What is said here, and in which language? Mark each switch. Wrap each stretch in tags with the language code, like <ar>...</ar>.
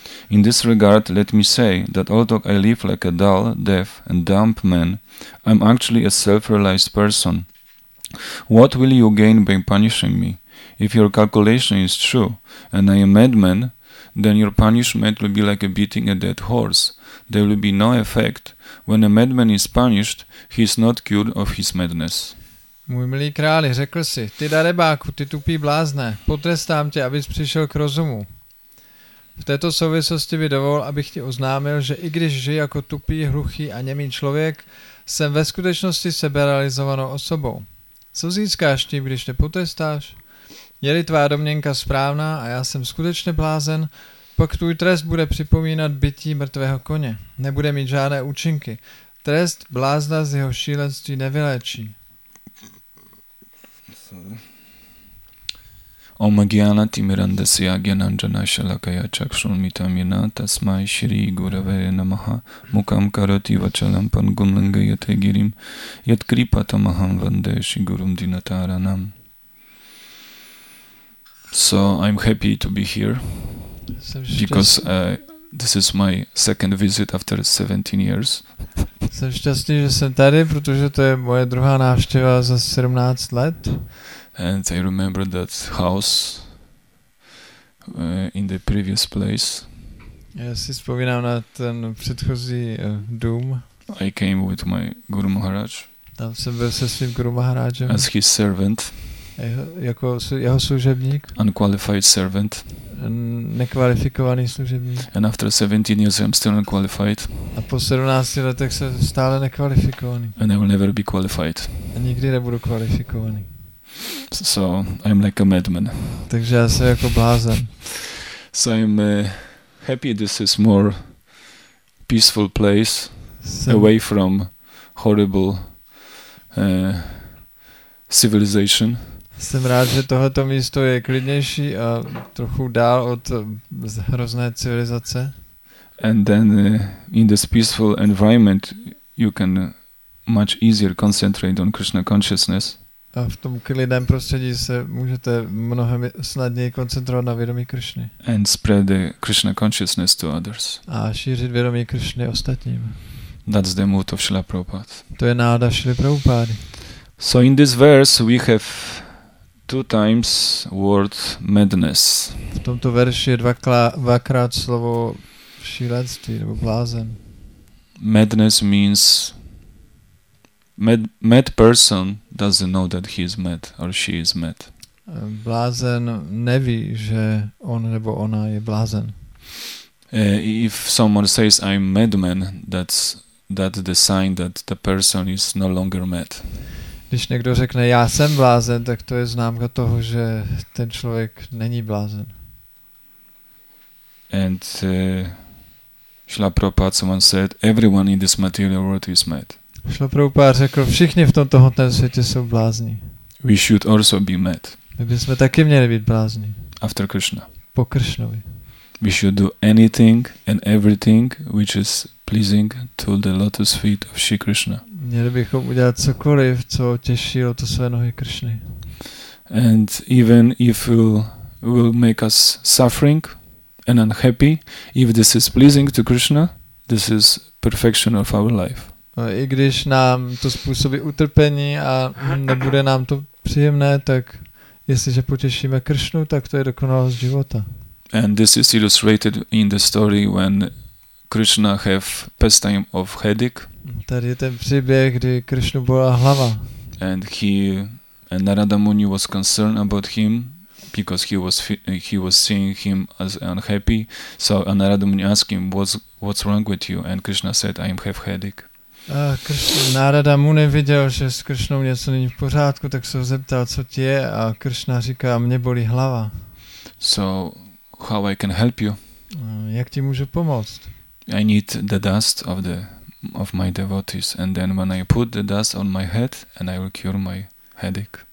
<en>In this regard, let me say that although I live like a dull, deaf, and dumb man, I'm actually a self-realized person. What will you gain by punishing me? If your calculation is true, and I am a madman, then your punishment will be like beating a dead horse. There will be no effect. When a madman is punished, he is not cured of his madness.</en> <cs>Můj milý králi, řekl si, ty darebáku, ty tupý blázne, potrestám tě, abys přišel k rozumu. V této souvislosti mi dovol, abych ti oznámil, že i když žiji jako tupý, hluchý a němý člověk, jsem ve skutečnosti seberealizovanou osobou. Co získáš tím, když tě potrestáš? Je-li tvá domněnka správná a já jsem skutečně blázen, pak tvůj trest bude připomínat bití mrtvého koně. Nebude mít žádné účinky. Trest blázna z jeho šílenství nevyléčí.</cs> <sa>Om Gyana Timirandasya Gyananjana Shalakaya Chakshunmitamina Tasmai Shri Gurave Namaha Mukam Karoti Vachalam Pangum Lengayate Girim Yat Kripa Tamaham Vande Shri Gurum Dinataranam.</sa> <en>So I'm happy to be here because this is my second visit after 17 years.</en> <cs>Jsem šťastný, že jsem tady, protože to je moje druhá návštěva za 17 let.</cs> <en>And I remember that house in the previous place.</en> <cs>Já si vzpomínám na ten předchozí dům.</cs> <en>I came with my Guru Maharaj.</en> <cs>Tam jsem byl se svým Guru Maharajem.</cs> <en>As his servant.</en> <cs>Jako jeho služebník.</cs> <en>Unqualified servant.</en> <cs>Nekvalifikovaný služebník.</cs> <en>And after 17 years I'm still unqualified.</en> <cs>A po 17 letech jsem stále nekvalifikovaný.</cs> <en>And I will never be qualified.</en> <cs>A nikdy nebudu kvalifikovaný.</cs> <en>So I'm like a madman.</en> <cs>Takže já jsem jako blázen.</cs> <en>So I'm happy this is more peaceful place away from horrible civilization.</en> <cs>Jsem rád, že tohleto místo je klidnější a trochu dál od hrozné civilizace.</cs> <en>And then in this peaceful environment you can much easier concentrate on Krishna consciousness.</en> <cs>A v tom klidném prostředí se můžete mnohem snadněji koncentrovat na vědomí Krišny.</cs> <en>And spread the Krishna consciousness to others.</en> <cs>A šířit vědomí Krišny ostatním.</cs> <en>That's the motto of Srila Prabhupada.</en> <cs>To je náhoda Srila Prabhupady.</cs> <en>So in this verse we have two times word madness.</en> <cs>V tomto verši je dvakrát slovo šílenství nebo blázen.</cs> <en>Madness means mad person doesn't know that he is mad or she is mad.</en> <cs>Blázen neví, že on nebo ona je blázen.</cs> <en>If someone says I'm madman, that's the sign that the person is no longer mad.</en> <cs>Když někdo řekne já jsem blázen, tak to je známka toho, že ten člověk není blázen.</cs> <en>And Srila Prabhupada someone said everyone in this material world is mad.</en> <cs>Srila Prabhupada řekl, všichni v tomto hmotném světě jsou blázni.</cs> <en>We should also be mad.</en> <cs>My bychom taky měli být blázni.</cs> <en>After Krishna.</en> <cs>Po Krishnovi.</cs> <en>We should do anything and everything which is pleasing to the lotus feet of Sri Krishna.</en> <cs>Měli bychom udělat cokoliv, co těší lotosové nohy Krishny.</cs> <en>And even if will make us suffering and unhappy, if this is pleasing to Krishna, this is perfection of our life.</en> <cs>I když nám to způsobí utrpení a nebude nám to příjemné, tak jestliže potěšíme Kršnu, tak to je dokonalost života.</cs> <en>And this is illustrated in the story when Krishna have pastime of headache.</en> <cs>Tady je ten příběh, kdy Kršnu bolá hlava.</cs> <en>And Narada Muni was concerned about him because he was seeing him as unhappy. So Narada Muni asked him what's wrong with you, and Krishna said I have headache.</en> <cs>Narada Muni viděl, že s Krishnou něco není v pořádku, tak se ho zeptal, co ti je, a Krishna říká, mě bolí hlava.</cs> <en>So, how I can help you?</en> <cs>Jak ti můžu pomoct?</cs> <en>I need the dust of my devotees, and then when I put the dust on my head, and I will cure my headache.</en>